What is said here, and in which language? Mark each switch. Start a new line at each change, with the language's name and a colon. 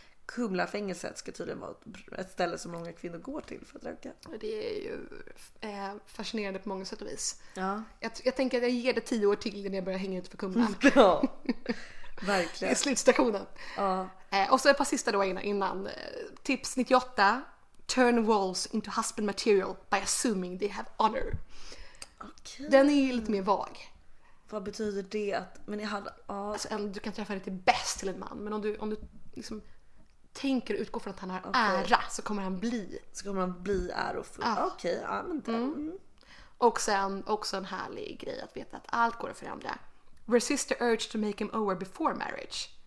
Swedish: Kumla fängelset ska tydligen vara ett ställe som många kvinnor går till för att dröka. Det är ju fascinerande på många sätt och vis. Ja. Jag tänker att jag ger det 10 år till när jag börjar hänga ut på Kumla. Ja. Verkligen. I slutstationen. Och så ett par sista då innan. Tips 98.
English: Turn walls into husband material by assuming they have honor. Okay.
Swedish: Den är ju lite mer vag. Vad betyder det? Att, men jag hade, alltså, du kan träffa lite bäst till en man. Men om du liksom tänker utgå från att han har ära, så kommer han bli. Så kommer han bli ärofull. Ah. Okej, okay, ja men det. Mm. Och sen också en härlig grej att veta att allt går att förändra.
English: Resist the urge to make him over before marriage.